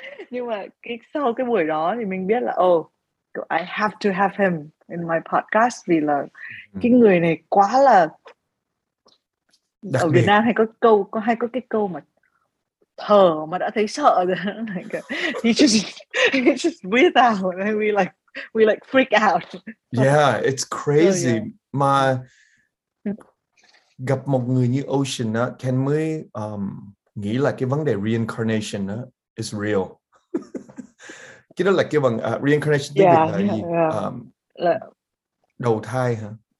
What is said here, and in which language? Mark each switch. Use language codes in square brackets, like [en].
[vi] Nhưng mà sau cái buổi đó thì mình biết là [en] I have to have him in my podcast [vi] vì là cái người này quá là đặc ở biệt. Việt Nam hay có câu có hay có cái câu mà thở mà đã thấy sợ rồi. [en] Like, he just breathe out and we like freak out. Yeah, it's crazy. [vi] Mà gặp một người như Ocean á, Ken mới nghĩ là cái vấn đề reincarnation á [en] is real. [vi] Cái đó là cái vấn reincarnation tiếng Việt là gì? Đầu thai hả?